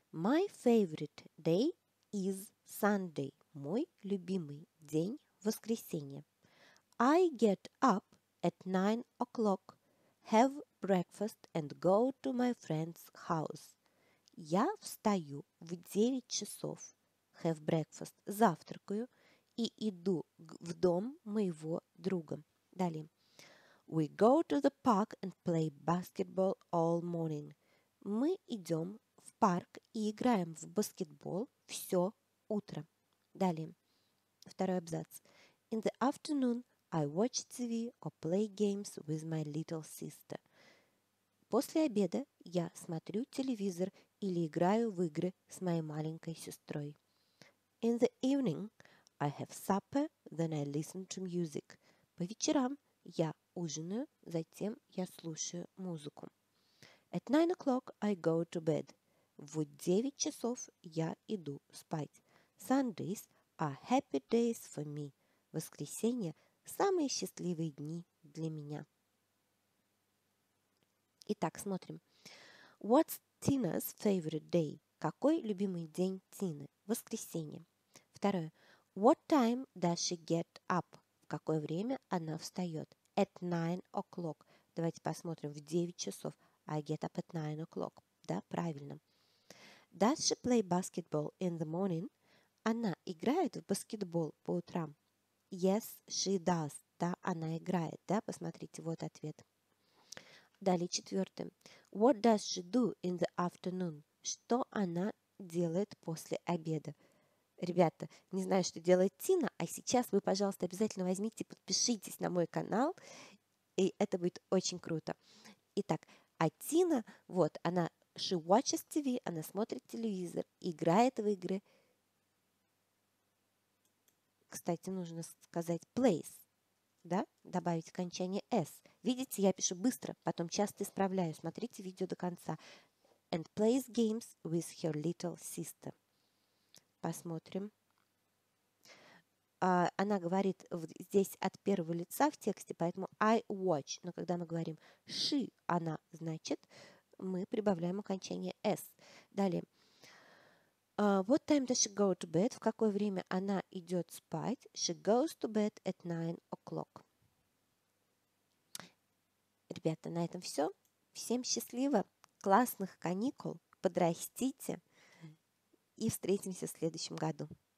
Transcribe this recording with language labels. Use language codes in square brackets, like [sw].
[en] My favorite day is Sunday. [ru] Мой любимый день – воскресенье. [en] I get up at 9 o'clock, have breakfast and go to my friend's house. [ru] Я встаю в 9 часов, [en] have breakfast, [ru] завтракаю и иду в дом моего друга. Далее. [en] We go to the park and play basketball all morning. [ru] Мы идем в парк и играем в баскетбол все утро. Далее. Второй абзац. [en] In the afternoon I watch TV or play games with my little sister. [ru] После обеда я смотрю телевизор или играю в игры с моей маленькой сестрой. [en] In the evening I have supper, then I listen to music. [ru] По вечерам я ужинаю, затем я слушаю музыку. [en] At 9 o'clock I go to bed. [ru] В 9 часов я иду спать. [en] Sundays are happy days for me. [ru] Воскресенье – самые счастливые дни для меня. Итак, смотрим. [en] What's Tina's favorite day? [ru] Какой любимый день Тины? Воскресенье. Второе. [en] What time does she get up? [ru] В какое время она встает? [en] At 9 o'clock. [ru] Давайте посмотрим. В 9 часов. [en] I get up at 9 o'clock. [ru] Да, правильно. [en] Does she play basketball in the morning? [ru] Она играет в баскетбол по утрам? [en] Yes, she does. [ru] Да, она играет. Да, посмотрите, вот ответ. Далее, четвертое. [en] What does she do in the afternoon? [ru] Что она делает после обеда? Ребята, не знаю, что делает Тина, а сейчас вы, пожалуйста, обязательно возьмите и подпишитесь на мой канал, и это будет очень круто. Итак, а Тина, вот, она, [en] she watches TV, [ru] она смотрит телевизор, играет в игры. Кстати, нужно сказать plays, да? Добавить окончание s. Видите, я пишу быстро, потом часто исправляю. Смотрите видео до конца. [en] and plays games with her little sister. [ru] Посмотрим. Она говорит здесь от первого лица в тексте, поэтому [en] I watch. [ru] Но когда мы говорим she, она, значит, мы прибавляем окончание s. Далее. [en] What time does she go to bed? [ru] В какое время она идет спать? [en] She goes to bed at 9 o'clock. [ru] Ребята, на этом все. Всем счастливо, классных каникул, подрастите и встретимся в следующем году.